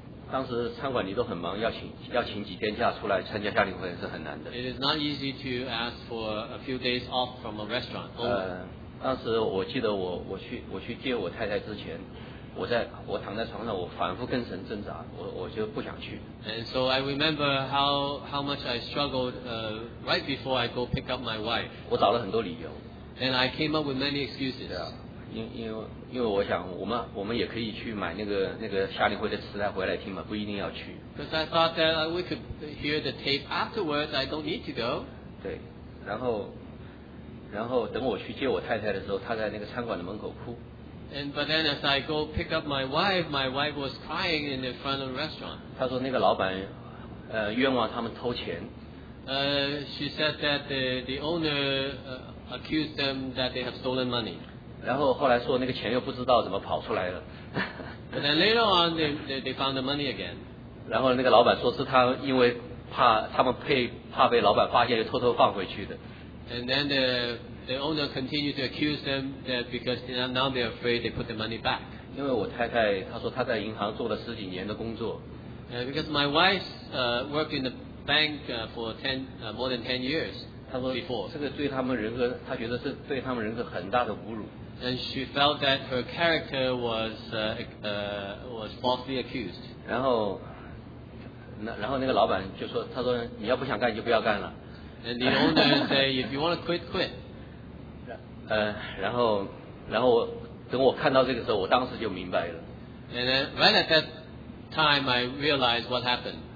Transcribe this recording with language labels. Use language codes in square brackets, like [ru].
[zh] 当时餐馆里都很忙，要请几天假出来参加夏令会是很难的。 [en] It is not easy to ask for a few days off from a restaurant. [zh] 当时我记得我去接我太太之前，我躺在床上，我反复跟神挣扎，我就不想去。 [en] And so I remember how much I struggled right before I go pick up my wife. [zh] 我找了很多理由。 [en] And I came up with many excuses. [zh] 因为我想我们也可以去买那个夏令会的磁带回来听嘛，不一定要去。 [en] Because I thought that we could hear the tape afterwards. I don't need to go. [zh] 对，然后等我去接我太太的时候，她在那个餐馆的门口哭。 [en] And but then as I go pick up my wife was crying in the front of the restaurant. [zh] 她说那个老板，冤枉他们偷钱。 [en] She said that the owner accused them that they have stolen money. [zh] 然后后来说那个钱又不知道怎么跑出来了。 [en] But then later on, they found the money again. [zh] 然后那个老板说是他因为怕他们怕被老板发现，又偷偷放回去的。 [en] And then the owner continued to accuse them that because now they're afraid they put the money back. [zh] 因为我太太她说她在银行做了十几年的工作。 [en] Because my wife worked in the bank for more than 10 years. [zh] 她说 [en] before [zh] 这个对他们人格，她觉得是对他们人格很大的侮辱。 [en] And she felt that her character was falsely accused. [zh] 然后那个老板就说，他说你要不想干就不要干了。 [en] And the owner said, if you want to quit, quit. [zh] 然后等我看到这个时候，我当时就明白了。 [en] And then, right at that time, I realized what happened.